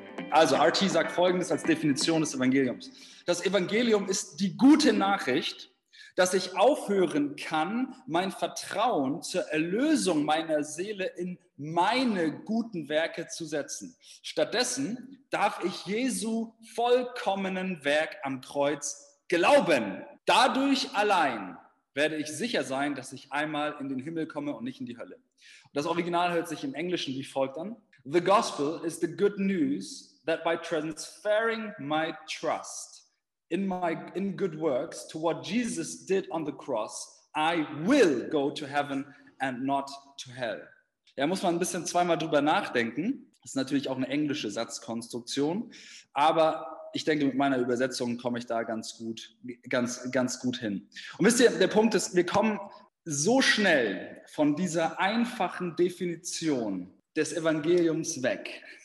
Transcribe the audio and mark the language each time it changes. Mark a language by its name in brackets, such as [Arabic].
[German] Also RT sagt Folgendes als Definition des Evangeliums. Das Evangelium ist die gute Nachricht, dass ich aufhören kann, mein Vertrauen zur Erlösung meiner Seele in meine guten Werke zu setzen. Stattdessen darf ich Jesu vollkommenen Werk am Kreuz glauben. Dadurch allein werde ich sicher sein, dass ich einmal in den Himmel komme und nicht in die Hölle. Das Original hört sich im Englischen wie folgt an. [English] The gospel is the good news that by transferring my trust in good works to what Jesus did on the cross, I will go to heaven and not to hell. [German] Ja, muss man ein bisschen zweimal drüber nachdenken. Das ist natürlich auch eine englische Satzkonstruktion. Aber ich denke, mit meiner Übersetzung komme ich da ganz gut hin. Und wisst ihr, der Punkt ist, wir kommen so schnell von dieser einfachen Definition des Evangeliums weg.